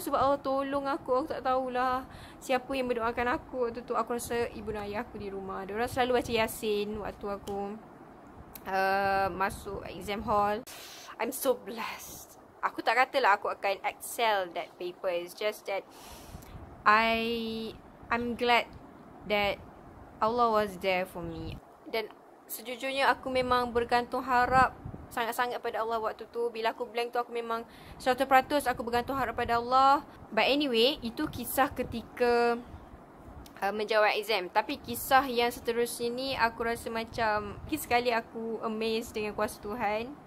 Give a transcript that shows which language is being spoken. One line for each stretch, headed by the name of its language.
Malay: Sebab Allah tolong aku. Aku tak tahulah siapa yang berdoakan aku waktu tu. Aku rasa ibu dan ayah aku di rumah. Diorang selalu baca Yasin waktu aku masuk exam hall.
English: I'm so blessed.
Malay: Aku tak katalah aku akan excel that paper.
English: It's just that I'm glad that Allah was there for me.
Malay: Dan sejujurnya aku memang bergantung harap sangat-sangat pada Allah waktu tu. Bila aku blank tu aku memang 100% aku bergantung harap pada Allah.
English: But anyway,
Malay: itu kisah ketika menjawab exam. Tapi kisah yang seterusnya ni aku rasa macam lagi sekali aku amazed dengan kuasa Tuhan.